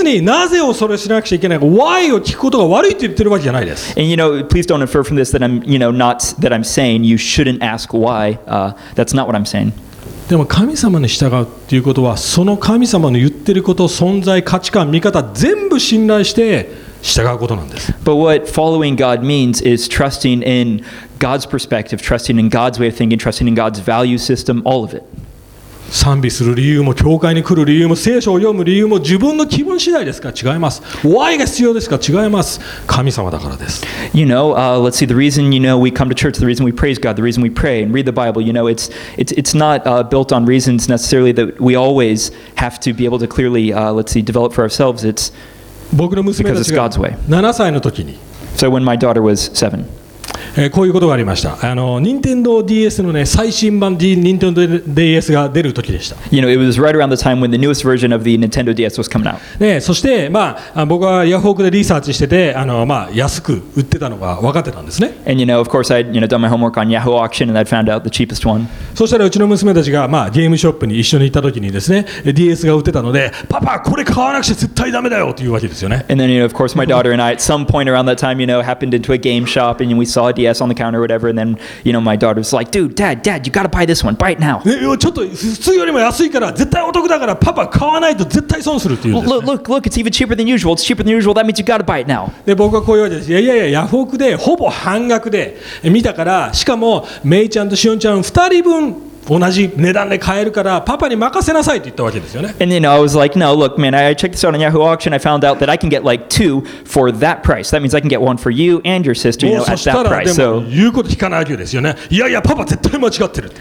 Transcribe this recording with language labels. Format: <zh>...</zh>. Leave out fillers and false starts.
<ja>別になぜをそれしなくちゃいけないか、why を聞くことが悪いって言ってるわけじゃないです。</ja> <en>And you know, please don't infer from this that I'm, you know, not that I'm saying you shouldn't ask why. That's not what I'm saying.</en> <ja>でも神様に従うっていうことはその神様の言ってること、存在、価値観、見方全部信頼して従うことなんです。</ja> <en>But what following God means is trusting in God's perspective, trusting in God's way of thinking, trusting in God's value system, all of it.</en> <ja>賛美する理由も教会に来る理由も聖書を読む理由も自分の気分次第ですか？違います。Why が必要ですか？違います。神様だからです。</ja> <en>You know, let's see, the reason you know we come to church, the reason we praise God, the reason we pray and read the Bible, you know, it's not built on reasons necessarily that we always have to be able to clearly, let's see, develop for ourselves. It's because it's God's way.</en> <ja>7歳の時に。</ja> <en>So when my daughter was 7.</en> <ja>こういうことがありました。あの Nintendo DS のね最新版 Nintendo DS が出る時でした。</ja> <en>You know, it was right around the time when the newest version of the Nintendo DS was coming out.</en> <ja>ね、そしてまあ僕はヤフオクでリサーチしてて、あのまあ安く売ってたのが分かってたんですね。</ja> <en>And you know, of course, I'd you know done my homework on Yahoo Auction and I'd found out the cheapest one.</en> <ja>そそしたらうちの娘たちが、まあ、ゲームショップに一緒に行った時にですね、DS が売ってたので、パパ、これ買わなくちゃ絶対ダメだよというわけですよね。</ja> <en>And then, you know, of course, my daughter and I, at some point around that time, you know, happened into a game shop and we saw a DS on the counter or whatever, and then, you know, my daughter's like, dude, dad, dad, you gotta buy this one, buy it now.</en> <ja>ちょっと普通よりも安いから、絶対お得だから、パパ、買わないと絶対損するっていうですね。</ja> <en>Look, look, look, it's even cheaper than usual. It's cheaper than usual. That means you gotta buy it now.</en> <ja>で、僕はこういうわけです。いやいやいや、ヤフオクでほぼ半額で見たから、しかも、メイちゃんとシオンちゃん2人分同じ値段で買えるからパパに任せなさいと言ったわけですよね。</ja> <en>And then I was like, no, look, man, I checked this out on Yahoo auction. I found out that I can get like two for that price. That means I can get one for you and your sister, you know, at that price.</en> <ja>そしたらでも言うこと聞かないわけですよね。いやいや、パパ絶対間違ってる。</ja>